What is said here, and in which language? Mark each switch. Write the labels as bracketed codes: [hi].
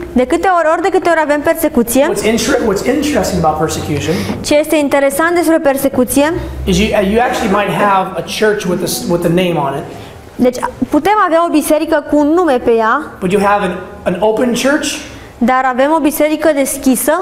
[ro] De câte ori, ori de câte ori avem persecuție? [en] What's interesting about persecution? [ro] Ce este interesant despre persecuție? [en] You actually might have a church with a name on it. [ro] Deci putem avea o biserică cu un nume pe ea. [en] But you have an open church? [ro] Dar avem o biserică deschisă.